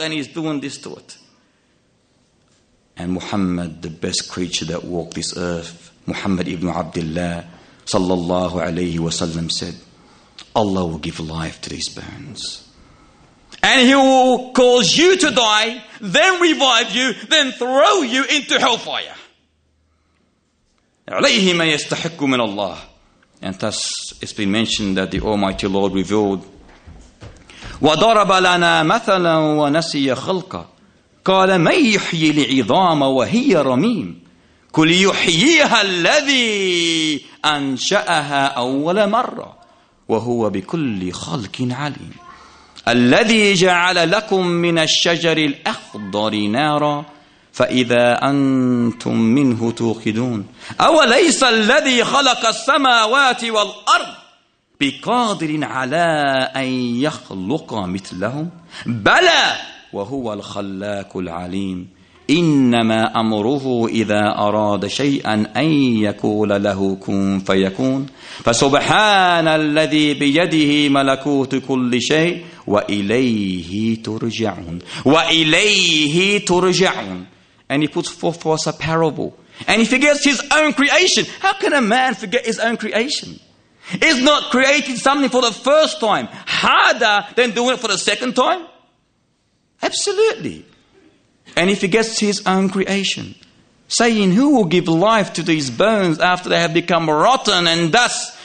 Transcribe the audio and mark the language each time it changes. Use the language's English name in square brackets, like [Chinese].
[English] And he's doing this to it. And Muhammad, the best creature that walked this earth, Muhammad ibn Abdullah sallallahu alayhi wa sallam said, Allah will give life to these bones. And He will cause you to die, then revive you, then throw you into hellfire. [Arabic] عَلَيْهِ مَا يَسْتَحِقُّ مِنَ اللَّهِ. [English] And thus, it's been mentioned that the Almighty Lord revealed [Arabic] وضرب لنا مثلا ونسي خلقه قال من يحيي العظام وهي رميم كل يحييها الذي أنشأها أول مرة وهو بكل خلق عليم الذي جعل لكم من الشجر الأخضر نارا فإذا أنتم منه توقدون أوليس الذي خلق السماوات والأرض بقادر على أن يخلق مثلهم بلى وهو الخلاق العليم إنما أمره إذا أراد شيئا أن يقول له كن فيكون فسبحان الذي بيده ملكوت كل شيء وإليه ترجعون وإليه ترجعون. [English] And he puts forth for us a parable. And he forgets his own creation. How can a man forget his own creation? Is not creating something for the first time harder than doing it for the second time? Absolutely. And he forgets his own creation, saying, who will give life to these bones after they have become rotten and dust?